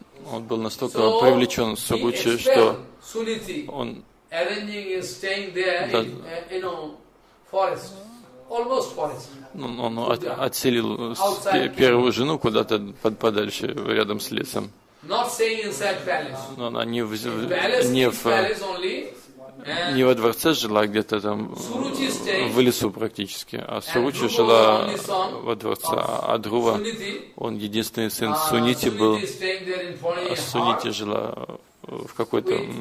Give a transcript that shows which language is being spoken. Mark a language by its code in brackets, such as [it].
[ru] он был настолько привлечен Суручи, что он [en] arranging and staying there in forest, almost forest. [ru] Он отселил первую жену куда-то подальше, рядом с лесом. [en] Not staying inside palace. [ru] Но она не во дворце жила, а где-то там в лесу практически, а Суручи жила во дворце, а Друва, он единственный сын Сунити был, а Сунити жила в какой-то